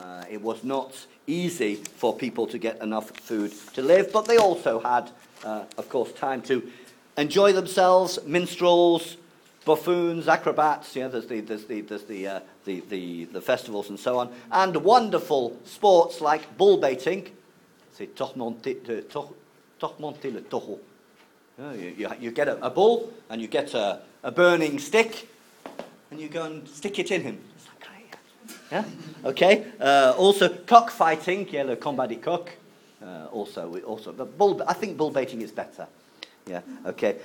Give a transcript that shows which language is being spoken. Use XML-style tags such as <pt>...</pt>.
<en>It was not easy for people to get enough food to live, but they also had, of course, time to enjoy themselves. Minstrels, buffoons, acrobats. Yeah, there's the festivals and so on, and wonderful sports like bull baiting.</en> <fr>C'est tourmenter le taureau.</fr> <en>You get a bull and you get a burning stick and you go and stick it in him. Is that great? Yeah? Okay. Also, cockfighting.</en> <fr>Yeah, le combat de coq.</fr> <en>I think bull baiting is better. Yeah, okay.</en>